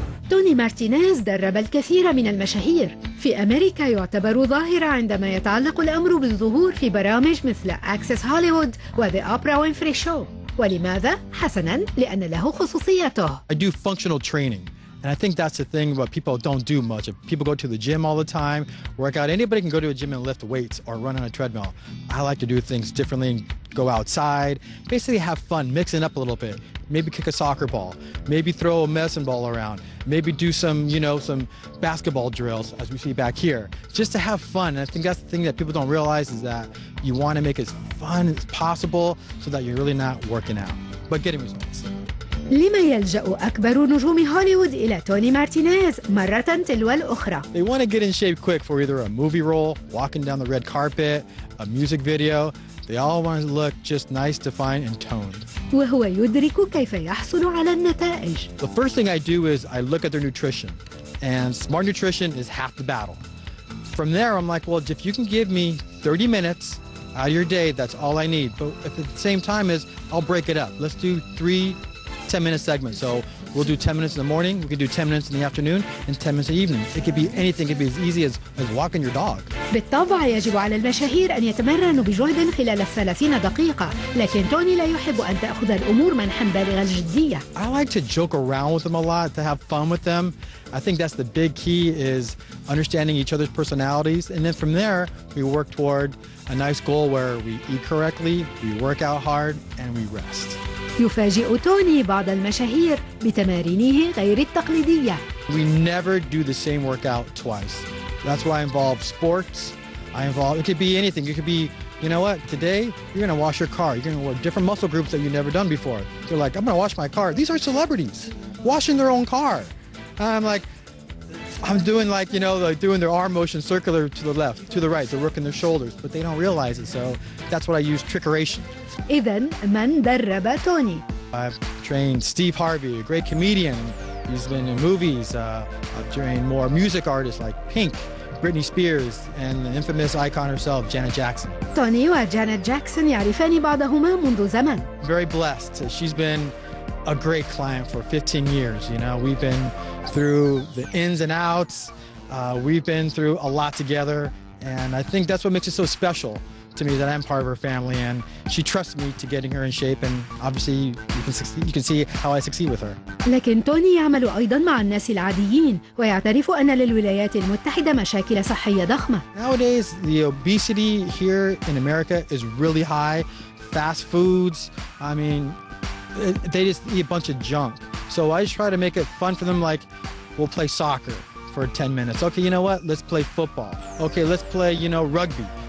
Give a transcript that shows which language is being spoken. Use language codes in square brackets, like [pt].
[ar] توني مارتينيز درب الكثير من المشاهير في أمريكا يعتبر ظاهرة عندما يتعلق الأمر بالظهور في برامج مثل أكسس هوليوود وذا أوبرا وينفري شو. ولماذا؟ حسناً لأن له خصوصيته. [en] I do functional training and I think that's the thing what people don't do much. If people go to the gym all the time, work out. Anybody can go to a gym and lift weights or run on a treadmill. I like to do things differently and go outside, basically have fun, mix it up a little bit. Maybe kick a soccer ball, maybe throw a medicine ball around, maybe do some, you know, some basketball drills as we see back here, just to have fun. And I think that's the thing that people don't realize is that you want to make it as fun as possible so that you're really not working out, but getting results. [ar] لما يلجأ أكبر نجوم هوليوود إلى توني مارتينيز مرة تلو الأخرى؟ [en] They want to get in shape quick for either a movie role, walking down the red carpet, a music video. They all want to look just nice, defined, and toned. [ar] وهو يدرك كيف يحصل على النتائج. [en] The first thing I do is I look at their nutrition. And smart nutrition is half the battle. From there, I'm like, well, if you can give me 30 minutes out of your day, that's all I need. But at the same time is I'll break it up. Let's do 3 10-minute segments. So we'll do 10 minutes in the morning, we can do 10 minutes in the afternoon, and 10 minutes in the evening. It could be anything. It could be as easy as walking your dog. [ar] بالطبع يجب على المشاهير أن يتمرنوا بجهد خلال 30 دقيقة. لكن توني لا يحب أن تأخذ الأمور منحاً بالغ الجدية. [en] I like to joke around with them a lot, to have fun with them. I think that's the big key is understanding each other's personalities. And then from there, we work toward a nice goal where we eat correctly, we work out hard, and we rest. [ar] يفاجئ توني بعض المشاهير بتمارينه غير التقليدية. [en] We never do the same workout twice. That's why I involve sports. I involve, it could be anything. It could be, you know what, today you're going to wash your car. You're going to wear different muscle groups that you've never done before. They're like, I'm going to wash my car. These are celebrities washing their own car. And I'm like, I'm doing like, you know, like doing their arm motion circular to the left, to the right. They're working their shoulders, but they don't realize it. So that's what I use trickery. [ar] إذن من درب توني؟ [en] I've trained Steve Harvey, a great comedian. He's been in movies. I've trained more music artists like Pink, Britney Spears, and the infamous icon herself, Janet Jackson. [ar] توني وجانيت جاكسون يعرفان بعضهما منذ زمن. [en] Very blessed. She's been a great client for 15 years. You know, we've been through the ins and outs. We've been through a lot together. And I think that's what makes it so special. to me that I'm part of her family, and she trusts me to getting her in shape, and obviously you can see how I succeed with her. [ar] لكن توني يعمل أيضا مع الناس العاديين ويعترف أن للولايات المتحدة مشاكل صحية ضخمة. [en] Nowadays, the obesity here in America is really high. Fast foods, I mean, they just eat a bunch of junk. So I just try to make it fun for them, like, we'll play soccer for 10 minutes. Okay, you know what? Let's play football. Okay, let's play, you know, rugby.